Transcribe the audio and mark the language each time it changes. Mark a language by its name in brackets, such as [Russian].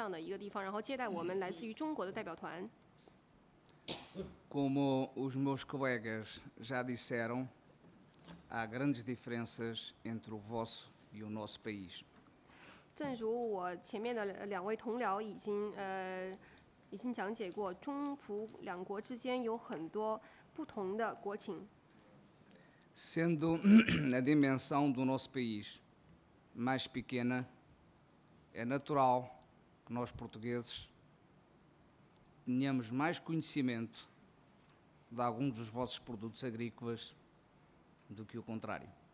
[Chinese] 非常荣幸能够在我们那个代表莆田民主的这么一个至高无上的一个地方，然后接待我们来自于中国的代表团。 [Portuguese] Como os meus colegas já disseram, há grandes diferenças entre o vosso e o nosso país. [Chinese] 正如我前面的两位同僚已经讲解过，中葡两国之间有很多不同的国情。 [Portuguese] Sendo a dimensão do nosso país mais pequena, é natural que nós portugueses tenhamos mais conhecimento de alguns dos vossos produtos agrícolas do que o contrário.